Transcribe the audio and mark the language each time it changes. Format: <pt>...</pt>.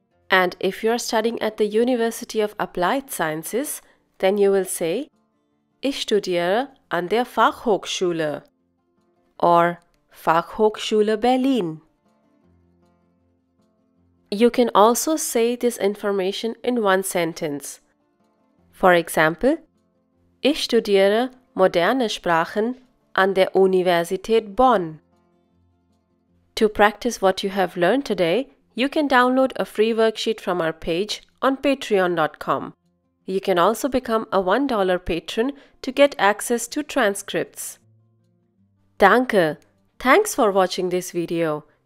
<en>And if you are studying at the University of Applied Sciences, then you will say, Ich studiere an der Fachhochschule or Fachhochschule Berlin. You can also say this information in one sentence.</en> <de>For example, Ich studiere moderne Sprachen an der Universität Bonn.</de> <en>To practice what you have learned today, you can download a free worksheet from our page on patreon.com. You can also become a $1 patron to get access to transcripts. Danke! Thanks for watching this video.</en>